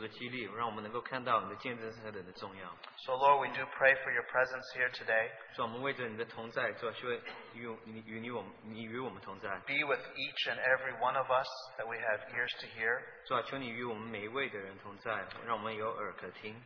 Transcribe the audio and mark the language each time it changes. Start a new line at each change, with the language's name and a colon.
Chinese: 不仅如此，他们能够劝勉我们，并且我们能够得到激励，让我们能够看到你的见证是何等的重要。
English: So Lord, we do pray for your presence here today.
Chinese: 主，我们为着你的同在，主，求你与我们同在。
English: Be with each and every one of us that we have ears to hear.
Chinese: 主，求你与我们每一位的人同在，让我们有耳可听。